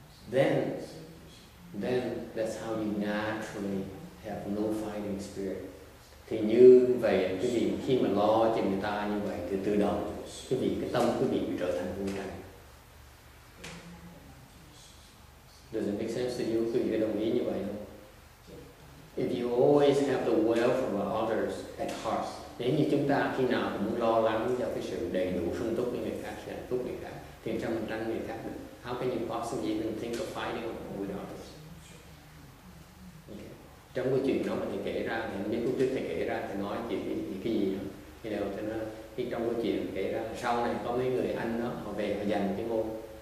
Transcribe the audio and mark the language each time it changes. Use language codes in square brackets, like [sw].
[en] Then that's how you naturally have no fighting spirit. [vi] Thì như vậy, quý vị khi mà lo cho người ta như vậy, thì tự động quý vị cái tâm quý vị trở thành vô tranh. [en] Does it make sense to you? Do you know me anyway? If you always have the welfare of others at heart, [vi] nếu như chúng ta khi nào cũng lo lắng cho cái sự đầy đủ sung túc của người khác, sự hạnh phúc người khác, thì 100% người khác được. [en] How can you possibly even think of fighting with others? [vi] Trong cái chuyện đó mà thầy kể ra, thì những câu chuyện thầy kể ra thì nói chuyện gì cái gì thì đều cho nó khi trong cái chuyện kể ra sau này có mấy người anh đó họ về họ dành cái ngôn.